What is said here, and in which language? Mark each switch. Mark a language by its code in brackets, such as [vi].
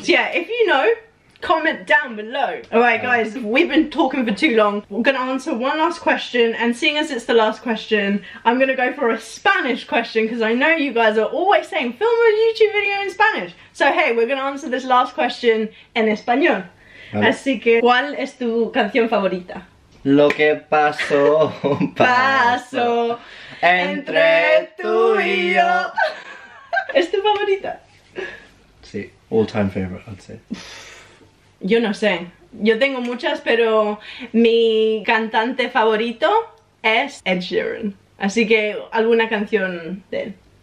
[en] Yeah, if you know, comment down below. Alright guys, we've been talking for too long. We're gonna answer one last question, and seeing as it's the last question, I'm gonna go for a Spanish question because I know you guys are always saying film a YouTube video in Spanish. So hey, we're gonna answer this last question [es] en español. Así que, ¿cuál es tu canción favorita? Lo que pasó, paso entre tú y yo. ¿Es tu favorita? [en] Sí, all time favorite, I'd say. [es] Yo no sé, yo tengo muchas, pero mi cantante favorito es Ed Sheeran. Así que, ¿alguna canción de él?